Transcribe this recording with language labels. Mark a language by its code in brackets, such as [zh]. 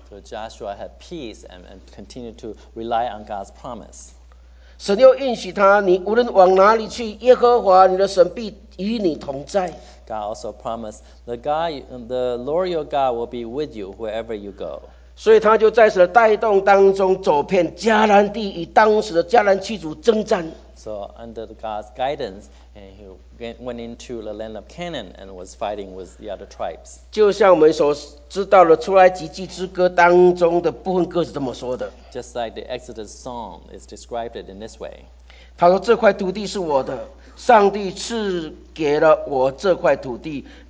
[en] So Joshua had peace and continued to rely on God's promise. [zh] 神又应许他，你无论往哪里去，耶和华你的神必与你同在。 [en] God also promised the Lord your God will be with you wherever you go. [zh] 所以他就在神的带动当中走遍迦南地，与当时的迦南七族征战。 [en] So under God's guidance, and he went into the land of Canaan and was fighting with the other tribes. [zh] 就像我们所知道的出埃及记之歌当中的部分歌词这么说的。 [en] Just like the Exodus song is described in this way. [zh] 他说这块土地是我的，上帝赐给了我这块土地。